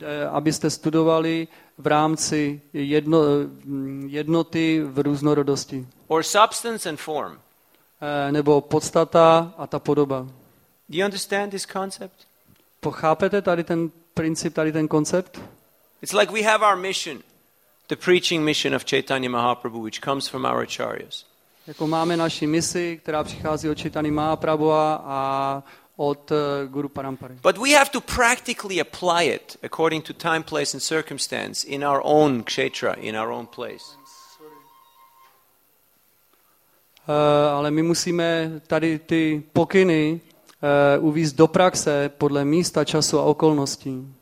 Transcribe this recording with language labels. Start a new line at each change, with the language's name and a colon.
Czech: Abyste studovali v rámci jednoty v různorodosti.
English: Or substance and form.
Czech: Nebo podstata a ta podoba.
English: Do you understand this concept?
Czech: Pochápete tady ten princip, tady ten koncept?
English: It's like we have our mission, the preaching mission of Chaitanya Mahaprabhu, which comes from our acharyas.
Czech: Jako máme naši misi, která přichází od Chaitanya Mahaprabhuva a od Guru Parampary.
English: But we have to practically apply it according to time, place and circumstance in our own kshetra, in our own place.
Czech: Ale my musíme tady ty pokyny uvést do praxe podle místa, času a okolností.